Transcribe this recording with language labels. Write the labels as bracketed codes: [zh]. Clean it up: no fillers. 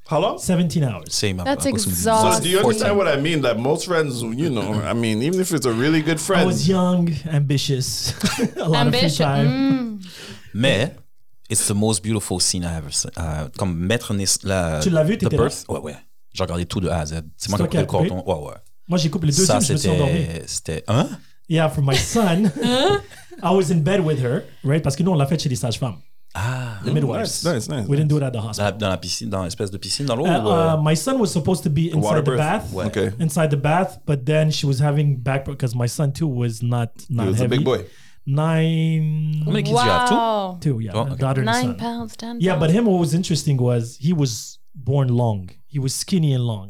[en] How long? 17 hours. Same. That's exhausting. So do you understand what I mean? That most friends, you know, I mean, even if it's a really good friend. I was young, ambitious. a lot of free time. Mais, it's the most beautiful scene I ever seen. [fr] Comme mettre la, tu l'as vu, t'étais birth? Ouais, ouais. J'ai regardé tout de A à Z. C'est moi qui ai coupé le coupé? Coton. Ouais, ouais. Moi, j'ai coupé les deux scènes, je me suis endormi. C'était... Hein? [en] Yeah, for my son. I was in bed with her, right? [fr] Parce que nous, on l'a fait chez les sages-femmes. Ah, [en] the midwives. Nice. Didn't do it at the hospital. [fr] Dans la piscine, dans l'espèce de piscine, dans l'eau. [en] My son was supposed to be inside the bath. [fr] Ouais. Okay. [en] Inside the bath, but then she was having back because my son too was not heavy. He was a big boy. Nine. How many kids you have? Two. Yeah. Okay. Daughter. 9 pounds. 10 pounds. Yeah, but him. What was interesting was he was born long. He was skinny and long.